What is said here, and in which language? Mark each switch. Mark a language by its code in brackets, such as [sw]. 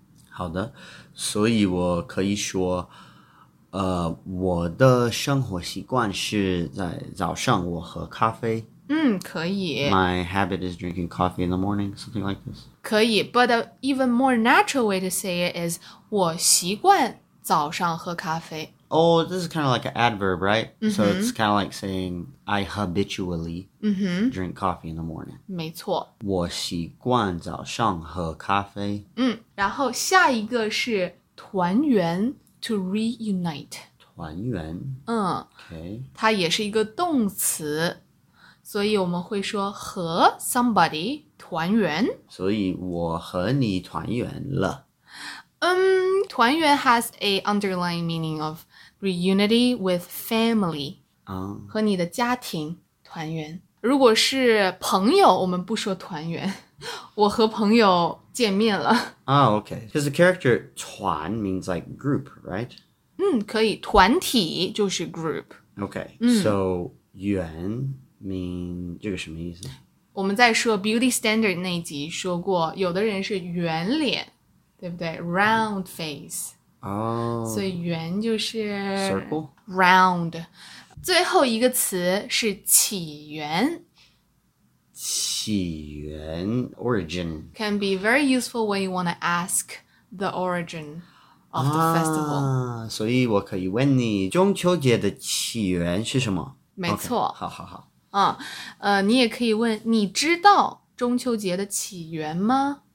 [zh] 好的，所以我可以说，我的生活习惯是在早上我喝咖啡。嗯，可以。 [en] My habit is drinking coffee in the morning, something like this. [zh] 可以 [en] ,but an even more natural way to say it is [zh] 我习惯早上喝咖啡。 [en] Oh, this is kind of like an adverb, right? Mm-hmm. So it's kind of like saying, I habitually drink coffee in the morning. [zh] 没错。我习惯早上喝咖啡。嗯，然后下一个是团圆 [en] to reunite. [zh] 团圆。嗯。 [en] Okay. [zh] 它也是一个动词。所以我们会说和 somebody 团圆。所以我和你团圆了。 [en] 团圆 has a underlying meaning of reunity with family. [zh] 和你的家庭团圆。如果是朋友，我们不说团圆。我和朋友见面了。 [en] Oh, okay. Because the character 团 means like group, right? [zh] 可以。团体就是 group. [en] Okay. So, 圆 mean [zh] 这个什么意思？我们在说 beauty standard 那集说过，有的人是圆脸。对不对 ? [en] Round face. [zh] 哦、所以圆就是 [en] Circle? Round. [zh] 最后一个词是起源。起源 ,origin. [en] Can be very useful when you want to ask the origin of the festival. [zh] 所以我可以问你中秋节的起源是什么没错。 Okay, 好好好。你也可以问你知道中秋节的起源吗